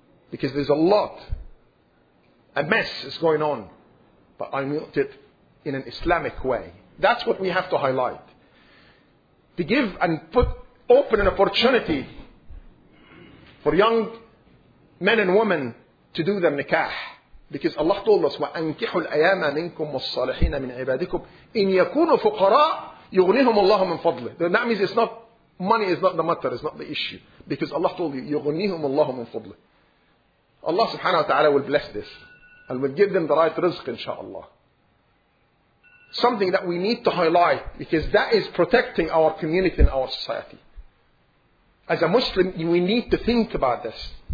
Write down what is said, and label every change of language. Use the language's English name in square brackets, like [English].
[English] Because there's a lot, a mess is going on, but I mean it in an Islamic way. That's what we have to highlight. To give and put open an opportunity for young men and women to do the nikah. Because Allah told us, [Arabic] وَأَنْكِحُوا الْأَيَامَ مِنْكُمْ وَالصَّالِحِينَ مِنْ عِبَادِكُمْ إِنْ يَكُونُوا فُقَرَاءَ يُغْنِهُمُ اللَّهُ مِنْ فَضْلِهِ. [English] That means it's not, money is not the matter, it's not the issue. Because Allah told you, [Arabic] يُغْنِهُمُ اللَّهُ مِنْ فَضْلِهِ. [English] Allah subhanahu wa ta'ala will bless this and will give them the right rizq inshaAllah. Something that we need to highlight, because that is protecting our community and our society. As a Muslim, we need to think about this.